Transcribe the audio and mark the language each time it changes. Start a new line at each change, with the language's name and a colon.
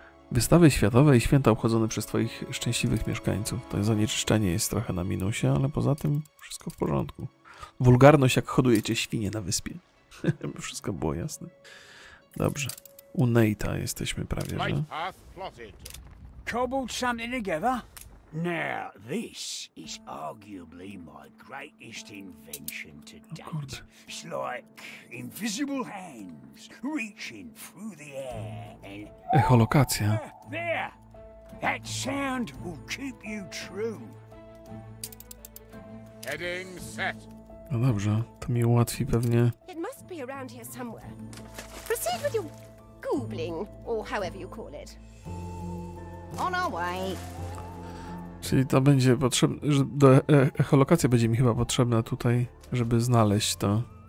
Polish: Wystawy światowe i święta obchodzone przez twoich szczęśliwych mieszkańców. To zanieczyszczenie jest trochę na minusie, ale poza tym wszystko w porządku. Wulgarność, jak hodujecie świnie na wyspie. Wszystko było jasne. Dobrze. U Nate'a jesteśmy prawie, że...
English: Cobbled something together? Now, this is arguably my greatest invention to date. It's like invisible hands reaching through the air and...
Polish: Echolokacja.
English: There! That sound will keep you true. Heading set.
Polish: No dobrze, to mi ułatwi pewnie.
English: It must be around here somewhere. Proceed with your goobling, or however you call it. On our way.
Polish: Czyli to będzie potrzebne, do echolokacja będzie mi chyba potrzebna tutaj, żeby znaleźć to.